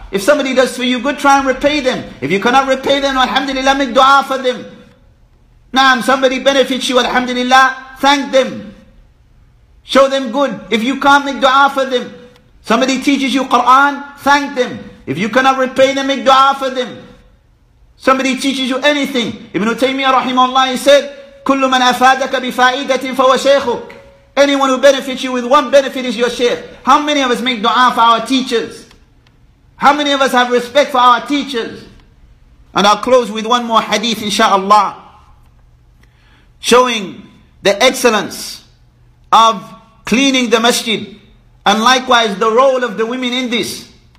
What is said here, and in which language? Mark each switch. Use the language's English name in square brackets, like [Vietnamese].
[English] If somebody does for you good, try and repay them. If you cannot repay them, alhamdulillah, make dua for them. Naam, somebody benefits you, alhamdulillah, thank them. Show them good. If you can't make dua for them, Somebody teaches you Quran, thank them. If you cannot repay them, make dua for them. Somebody teaches you anything. [Arabic] Ibn Taymiyyah rahimahullah, [English] he said, [Arabic] كل من أفادك بفائدة فهو شيخك. [English] Anyone who benefits you with one benefit is your sheikh. How many of us make dua for our teachers? How many of us have respect for our teachers? And I'll close with one more hadith inshaAllah, showing the excellence of cleaning the masjid and likewise the role of the women in this.